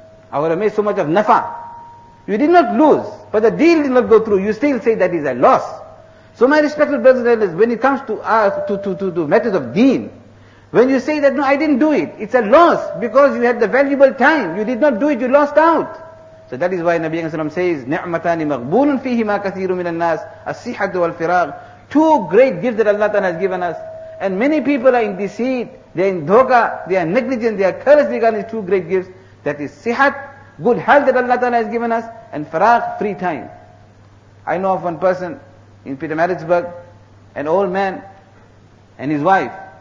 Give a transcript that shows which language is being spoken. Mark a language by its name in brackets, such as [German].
[English] I would have made so much of nafa. You did not lose, but the deal did not go through. You still say that is a loss. So my respected brothers and elders, when it comes to matters of deen, when you say that, no, I didn't do it, it's a loss because you had the valuable time. You did not do it, you lost out. So that is why Nabi Muhammad says, [Arabic] نِعْمَتَانِ مَغْبُولٌ فِيهِمَا كَثِيرٌ مِنَ النَّاسِ أَصِّحَةُ وَالْفِرَاغِ. [English] Two great gifts that Allah has given us. And many people are in deceit, they are in dhoka, they are negligent, they are careless regarding these two great gifts. That is sihat, good health that Allah Ta'ala has given us, and faragh, free time. I know of one person in Pietermaritzburg, an old man and his wife.